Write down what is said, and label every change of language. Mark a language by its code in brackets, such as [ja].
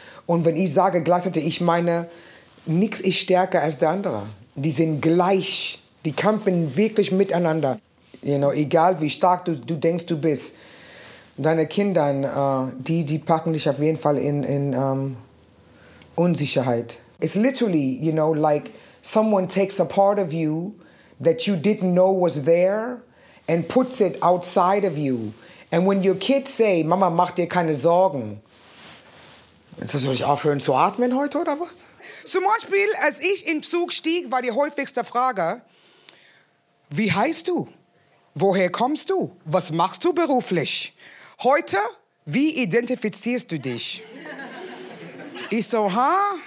[de] Und wenn ich sage gleichzeitig, ich meine, nichts ist stärker als der andere. Die sind gleich. Die kämpfen wirklich miteinander. [en] You know, [de] egal wie stark du denkst, du bist. Deine Kinder, die packen dich auf jeden Fall in Unsicherheit. [en] It's literally, you know, like someone takes a part of you that you didn't know was there and puts it outside of you. And when your kids say, [de] Mama, mach dir keine Sorgen. Jetzt soll ich aufhören zu atmen heute oder was? Zum Beispiel, als ich in Zug stieg, war die häufigste Frage, wie heißt du? Woher kommst du? Was machst du beruflich? Heute, wie identifizierst du dich? Ich so, ha?